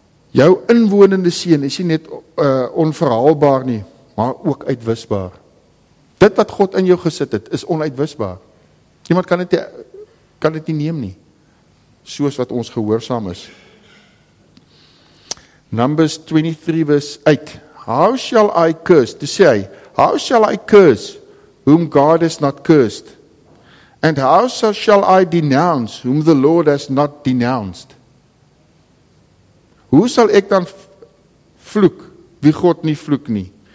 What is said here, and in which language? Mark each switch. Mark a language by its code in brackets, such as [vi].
[af] Jou inwonende seën is nie net onverhaalbaar nie, maar ook uitwisbaar. Dit wat God in jou gesit het, is onuitwisbaar. Niemand kan dit nie neem nie, soos wat ons gehoorsaam is. [en] Numbers 23 verse 8. How shall I curse? To say, how shall I curse whom God has not cursed? And how shall I denounce whom the Lord has not denounced? [af] Hoe sal ek dan vloek wie God nie vloek nie?